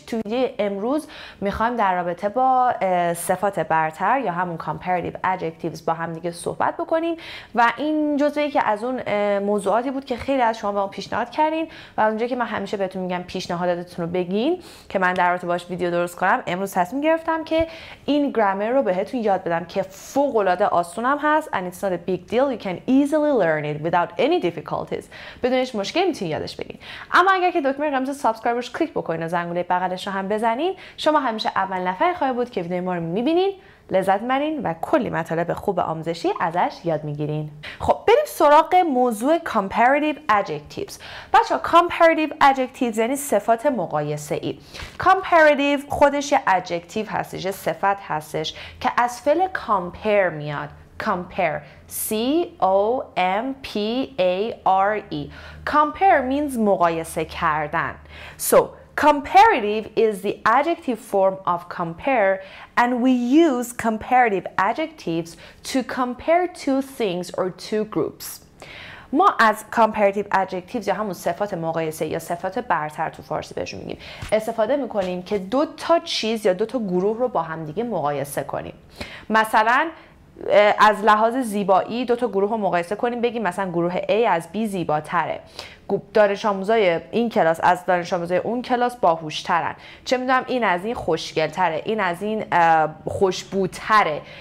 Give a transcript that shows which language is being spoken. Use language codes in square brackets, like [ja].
[fa] توی امروز میخوایم در رابطه با صفات برتر یا همون comparative adjectives با هم دیگه صحبت بکنیم و این جزوه یکی از اون موضوعاتی بود که خیلی از شما به ما پیشنهاد کردین و از اونجا که من همیشه بهتون میگم پیشنهاداتتون رو بگین که من در رابطه باش ویدیو درست کنم، امروز تصمیم گرفتم که این گرامر رو بهتون یاد بدم که فوق‌العاده آسونم هست. [en] And it's not a big deal. You can easily learn it without any difficulties. [fa] بدونش مشکل میتونی یادش بگین. اما اگر که دکمه قرمز سابسکرایب روش کلیک بکنین و زنگوله بغلش رو هم بزنین، شما همیشه اول نفر خواهی بود که ویدیوی ما رو میبینین، لذت مرین و کلی مطالب خوب آموزشی ازش یاد میگیرین. خب بریم سراغ موضوع comparative adjectives. بچه ها comparative adjectives یعنی صفات مقایسه ای. comparative خودش یه adjective هستش، یه صفت هستش که از فعل compare میاد. [en] compare C-O-M-P-A-R-E. compare means [fa] مقایسه کردن. [en] So comparative is the adjective form of compare, and we use comparative adjectives to compare two things or two groups. [fa] ما از comparative adjectives یا همون صفات مقایسه یا صفات برتر تو فارسی بهشون میگیم استفاده میکنیم که دو تا چیز یا دو تا گروه رو با هم دیگه مقایسه کنیم. مثلا از لحاظ زیبایی دو تا گروه رو مقایسه کنیم، بگیم مثلا گروه A از B زیباتره، دانش آموزای این کلاس از دانش آموزای اون کلاس باهوشترن، چه میدونم این از این خوشگلتره، این از این خوشبوتره.